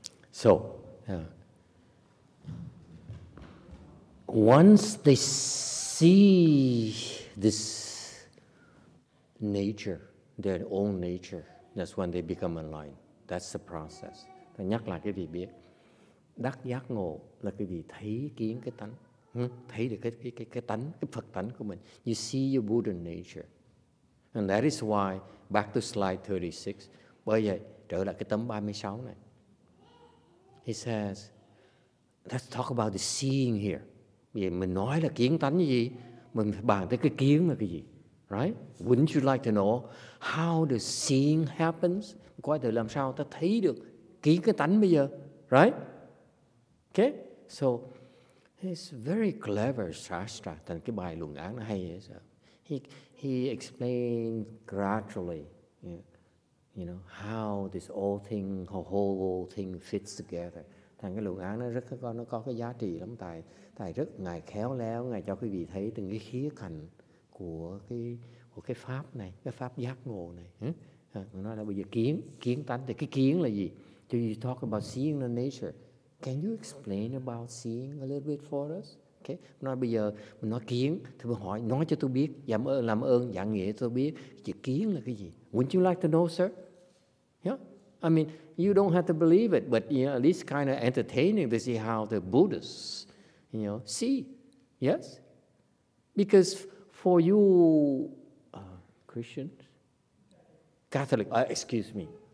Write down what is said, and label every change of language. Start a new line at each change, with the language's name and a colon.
English: So, once they see this nature, their own nature, that's when they become enlightened. That's the process.
Vietnamese: Tôi nhắc lại cái vị biết. Đắc giác ngộ là cái vị thấy kiến cái tánh. thấy được cái tánh, cái Phật tánh của mình.
English: You see your Buddha nature. And that is why, back to slide 36,
Vietnamese: bởi vậy, trở lại cái tấm 36 này.
English: He says, let's talk about the seeing here.
Vietnamese: Bây giờ mình nói là kiến tánh gì, mình phải bàn tới cái kiến là cái gì.
English: Right? Wouldn't you like to know how the seeing happens?
Vietnamese: Coi từ làm sao ta thấy được kiến cái tánh bây giờ.
English: Right? Okay? So, he's very clever, Shastra.
Vietnamese: Thành cái bài luận án nó hay.
English: So, he explained gradually, you know, how this all thing, whole thing fits together.
Vietnamese: Thành cái luận án nó rất nó có cái giá trị lắm. Tại rất ngài khéo léo, ngài cho quý vị thấy từng cái khía cạnh của cái pháp này, cái pháp giác ngộ này. Nó là bây giờ kiến tánh thì cái kiến là gì?
English: So you talk about seeing the nature. Can you explain about seeing a little bit for us? Okay.
Vietnamese: Nói bây giờ mình nói kiến, thì mình hỏi, nói cho tôi biết, làm ơn giảng nghĩa tôi biết, chữ kiến là cái gì?
English: Wouldn't you like to know, sir? Yeah. I mean, you don't have to believe it, but you know, at least kind of entertaining to see how the Buddhists, you know, see. Yes. Because for you, Christians, Catholic, excuse me.